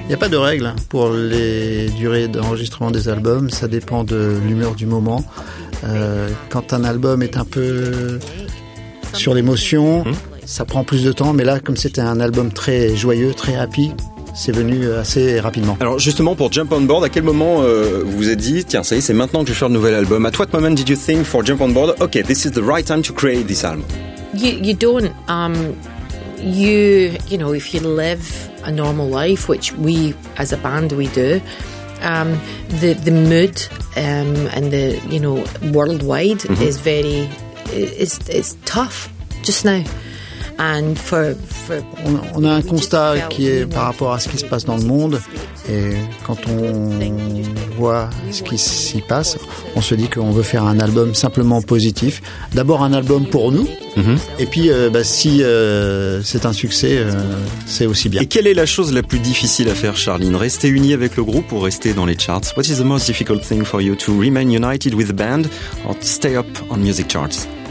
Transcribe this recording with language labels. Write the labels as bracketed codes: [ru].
[fr] Il n'y a pas de règle pour les durées d'enregistrement des albums, ça dépend de l'humeur du moment. Quand un album est un peu sur l'émotion, ça prend plus de temps. Mais là, comme c'était un album très joyeux, très happy, c'est venu assez rapidement. Alors justement, pour Jump On Board, à quel moment vous vous êtes dit, tiens, ça y est, c'est maintenant que je vais faire le nouvel album? [en] At what moment did you think for Jump On Board, okay, this is the right time to create this album? You don't. You know, if you live a normal life, which we, as a band, we do, the mood and the, you know, worldwide is very, it's tough just now. And for [fr] on a un constat qui est par rapport à ce qui se passe dans le monde, et quand on voit ce qui s'y passe, on se dit qu'on veut faire un album simplement positif. D'abord un album pour nous, et puis c'est un succès, c'est aussi bien. Et quelle est la chose la plus difficile à faire, Charline? Rester unie avec le groupe ou rester dans les charts? [en] What is the most difficult thing for you, to remain united with the band or to stay up on music charts?